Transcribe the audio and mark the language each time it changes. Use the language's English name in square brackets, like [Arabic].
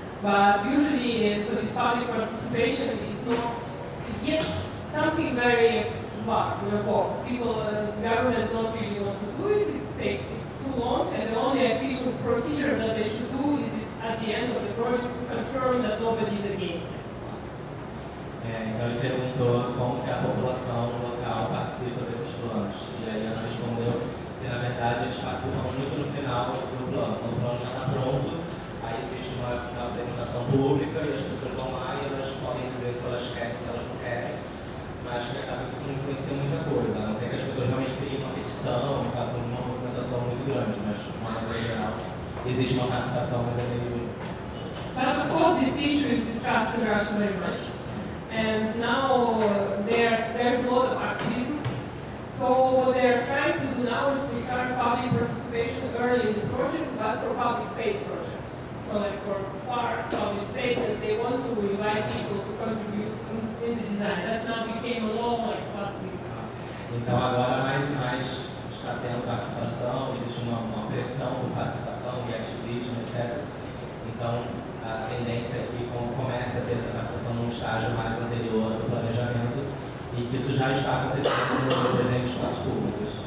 [English] But usually, so this public participation is yet something very people, governments don't really want to do it. It's too long, and the only official procedure that they should do is at the end of the project to confirm that nobody is against it. [Portuguese] Então ele perguntou como que a população local participa desses planos. E aí ela respondeu que na verdade eles participam muito no final do plano. Quando o plano já está pronto, aí existe uma apresentação pública e as pessoas vão lá e elas podem dizer se elas querem ou se elas não querem. Mas acho que acaba que isso não influencia muita coisa, a não ser que as pessoas realmente criem uma petição e façam uma movimentação muito grande, mas de uma maneira geral existe uma participação, mas é meio. [English] But of course, this issue is discussed in Russia very much. And now there's a lot of activism. So what they are trying to do now is to start public participation early in the project, but for public space projects. So like for parks, public spaces, they want to invite people to contribute in the design. That's now became a law like last week. [Portuguese] Então agora mais e mais está tendo participação, existe uma pressão de participação e ativismo, etc. Então a tendência é que comece a ter essa participação num estágio mais anterior do planejamento e que isso já está acontecendo no exemplo de espaços públicos.